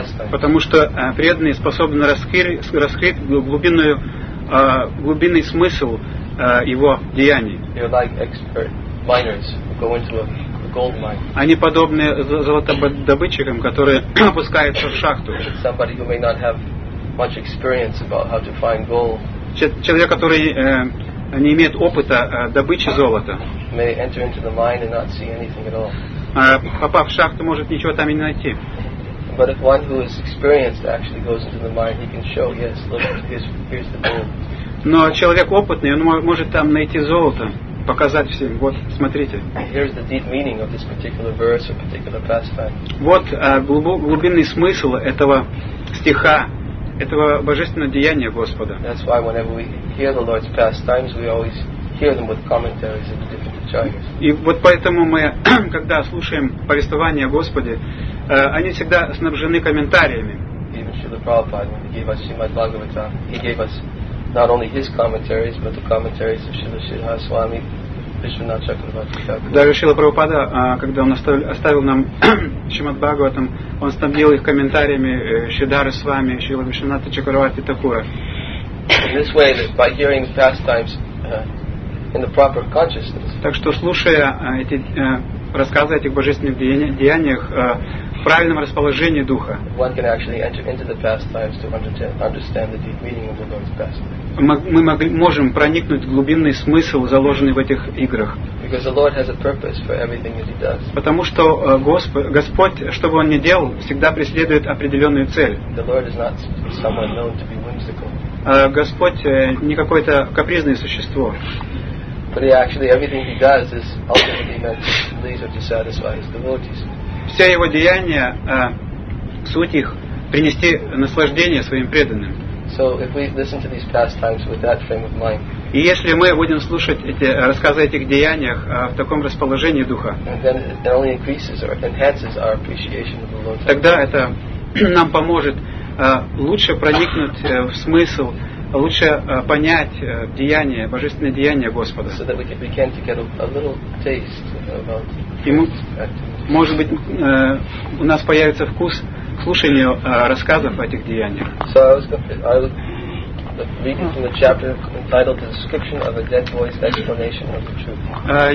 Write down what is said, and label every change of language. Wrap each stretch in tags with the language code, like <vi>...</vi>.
<ru>Потому что преданные способны раскрыть глубинный смысл его деяний.</ru> <en>They're like expert miners who go into a gold mine.</en> <ru>Они подобны золотодобытчикам, которые опускаются в шахту.</ru> <en>Somebody who may not have much experience about how to find gold.</en> <ru>Человек, который не имеет опыта добычи золота,</ru> <en>may enter into the mine and not see anything at all.</en> <ru>Попав в шахту, может ничего там и не найти.</ru> <en>But if one who is experienced actually goes into the mine, he can show, yes, look, here's the gold.</en> <ru>Но человек опытный, он может там найти золото, показать всем. Вот, смотрите.</ru> <en>Here's the deep meaning of this particular verse or particular pastime.</en> <ru>Вот глубинный смысл этого стиха. Этого божественного деяния Господа.</ru> <en>That's why whenever we hear the Lord's pastimes, we always hear them with commentaries of the different acharyas.</en> <ru>И вот поэтому мы, когда слушаем повествование о Господе, они всегда снабжены комментариями.</ru> <en>Even Śrīla Prabhupāda, when he gave us Śrīmad Bhāgavatā, he gave us not only his commentaries, but the commentaries of Śrīla Śrīdhara Swāmī, Viśvanātha Chakravartī.</en> <ru>Даже Śrīla Prabhupāda, когда он оставил нам Śrīmad Bhāgavatam, он снабдил их комментариями Śrīdhara Swāmī, Śrīla Viśvanātha Chakravartī Thakura.</ru> <en>In this way, by hearing pastimes in the proper consciousness.</en> <ru>Так что слушая эти рассказы о этих божественных деяниях в правильном расположении духа,</ru> <en>one can actually enter into the pastimes to understand the deep meaning of the Lord's pastimes.</en> <ru>Мы можем проникнуть в глубинный смысл, заложенный в этих играх.</ru> <en>Because the Lord has a purpose for everything that he does.</en> <ru>Потому что Господь, что бы Он ни делал, всегда преследует определенную цель.</ru> <en>The Lord is not someone known to be whimsical.</en> <ru>Господь не какое-то капризное существо.</ru> <en>But actually everything he does is ultimately meant to please or to satisfy his devotees.</en> <ru>Все его деяния, суть их, принести наслаждение своим преданным.</ru> <en>So if we listen to these pastimes with that frame of mind.</en> <ru>И если мы будем слушать эти рассказы о этих деяниях в таком расположении духа,</ru> <en>then it only increases or enhances our appreciation of the Lord.</en> <ru>Тогда это нам поможет лучше проникнуть в смысл, лучше понять деяния, божественные деяния Господа.</ru> <en>So that we can to get a little taste about.</en> <ru>И мы, может быть, у нас появится вкус слушанию рассказов о этих деяниях.</ru> <en>So I was reading from the chapter entitled "The Description of a Dead Boy's Explanation of the Truth."</en>